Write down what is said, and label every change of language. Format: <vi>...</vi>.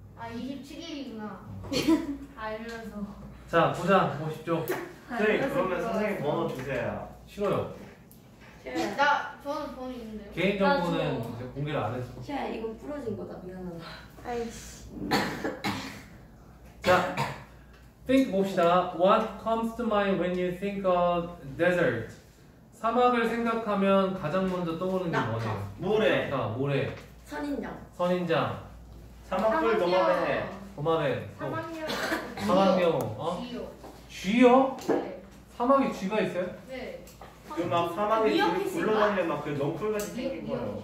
<ko>아, 27일이구나. 알면서. 자, 보자. 50쪽. 선생님, 그러면 선생님 번호 주세요. 싫어요. 나 저는 돈이 있는데요. 개인 정보는 공개를 안 했어. 쉐야 이거 부러진 거다 미안하다. 아이씨. 자, think 봅시다.</ko> <en>What comes to mind when you think of desert?</en> <ko>사막을 생각하면 가장 먼저 떠오르는 게 뭐냐? 모래. 자, 모래. 선인장. 선인장. 사막불 도마뱀. 도마뱀. 사막뇨. 사막뇨. 쥐요. 쥐요? 네. 사막에 쥐가 있어요? 네. 그 막 사막에 굴러다니는 막 그 넝쿨같이 생긴 거요.</ko>